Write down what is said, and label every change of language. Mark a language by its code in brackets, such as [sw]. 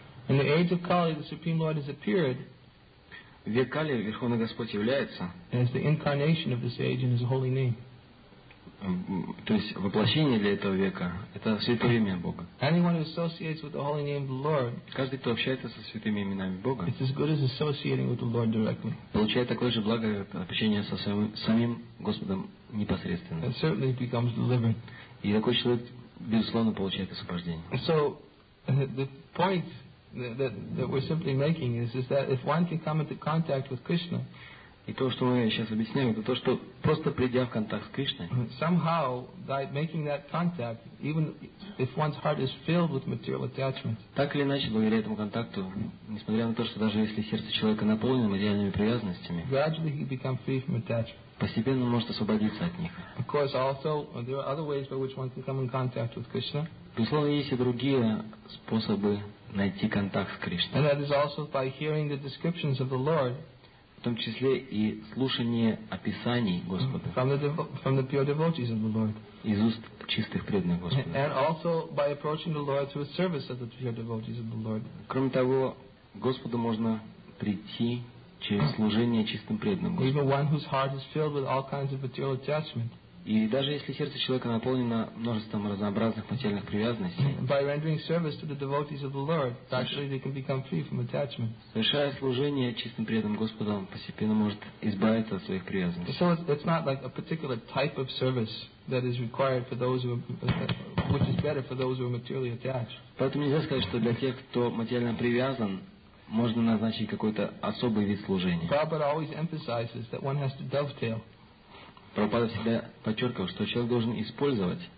[en] In the age of Kali, the Supreme Lord has appeared. [ru] Век Кали, Верховный Господь является. [en] As the incarnation of this age in His holy name. [ru] То есть воплощение для этого века – это святое имя Бога. [en] Anyone who associates with the holy name of the Lord, [ru] каждый, кто общается со святыми именами Бога, [en] it's as good as associating with the Lord directly. [ru] Получает такое же благо от общения со самим Господом непосредственно. [en] And certainly it becomes delivered. [ru] И такой человек, безусловно, получает освобождение. [en] So, the point that we're simply making is that if one can come into contact with Krishna, [ru] и то, что мы сейчас объясняем, это то, что просто придя в контакт с Кришной, [en] somehow, by making that contact, even if one's heart is filled with material attachment, [ru] так или иначе, благодаря этому контакту, несмотря на то, что даже если сердце человека наполнено материальными привязанностями, [en] gradually he becomes free from attachment. [ru] Постепенно он может освободиться от них. [en] Of course, also, there are other ways by which one can come in contact with Krishna. [ru] Безусловно, есть и другие способы найти контакт с Кришной. [en] And that is also by hearing the descriptions of the Lord. [ru] В том числе и слушание описаний Господа [en] from the pure devotees of the Lord. [ru] Из уст чистых преданных Господа. [en] And also by approaching the Lord through a service of the pure devotees of the Lord. [ru] Кроме того, Господу можно прийти через служение чистым преданным Господу. [en] Even one whose heart is filled with all kinds of material attachment. [ru] И даже если сердце человека наполнено множеством разнообразных материальных привязанностей, [en] by rendering service to the devotees of the Lord, actually they can become free from attachment. [ru] Совершая служение чистым преданным Господом, постепенно может избавиться от своих привязанностей. [en] So it's not like a particular type of service that is required for those which is better for those who are materially attached. [ru] Поэтому нельзя сказать, что для тех, кто материально привязан, можно назначить какой-то особый вид служения. [en] Prabhupada always emphasizes that one has to dovetail. [ru] Прабхупада всегда подчеркивал, что человек должен использовать.